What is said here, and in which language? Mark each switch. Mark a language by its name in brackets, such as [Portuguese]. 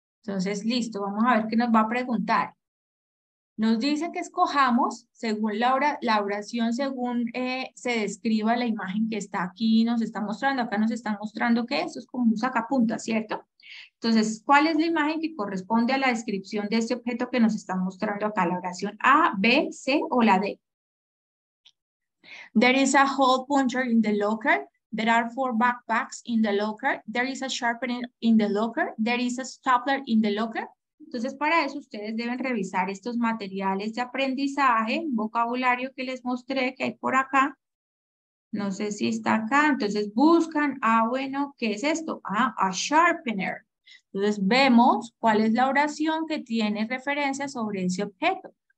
[Spanish] Entonces, listo, vamos a ver qué nos va a preguntar. Nos dice que escojamos según la oración, según se describa la imagen que está aquí, nos está mostrando. Acá nos está mostrando que eso es como un sacapuntas, ¿cierto? Entonces, Entonces, ¿cuál es la imagen que corresponde a la descripción de este objeto que nos está mostrando acá? ¿La oración A, B, C o la D? [English] There is a hole puncher in the locker. There are four backpacks in the locker. There is a sharpener in the locker. There is a stapler in the locker. [Spanish] Entonces, para eso ustedes deben revisar estos materiales de aprendizaje, vocabulario que les mostré que hay por acá. No sé si está acá. Entonces, buscan. Ah, bueno, ¿qué es esto? [English] Ah, a sharpener. [Spanish] Entonces, vemos cuál es la oración que tiene referencia sobre ese objeto.